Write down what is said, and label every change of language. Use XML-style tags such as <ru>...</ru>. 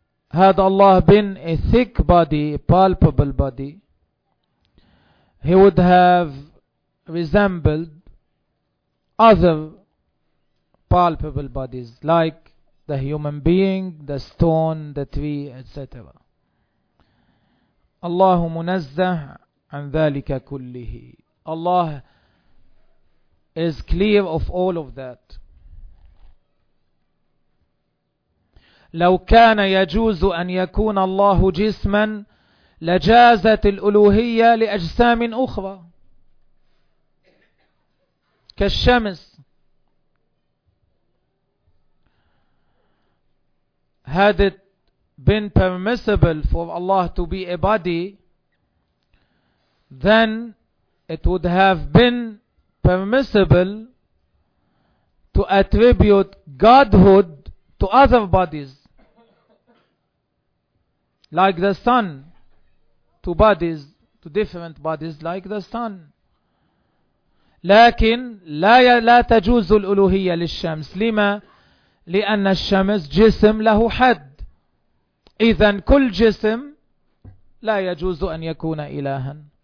<en>Had Allah been a thick body, a palpable body, he would have resembled other palpable bodies like the human being, the stone, the tree, etc.</en> <ar>Allah munazzah an dhalika kullihi.</ar> <en>Allah is clear of all of that.</en> <ar>لو كان يجوز أن يكون الله جسما لجازت الألوهية لأجسام أخرى كالشمس.</ar> <en>Had it been permissible for Allah to be a body, then it would have been permissible to attribute godhood to other bodies, like the sun, to bodies, to different bodies, like the sun.</en> <ar>لكن لا تجوز الألوهية للشمس. لما؟ لأن الشمس جسم له حد. إذن كل جسم لا يجوز أن يكون إلها.</ar>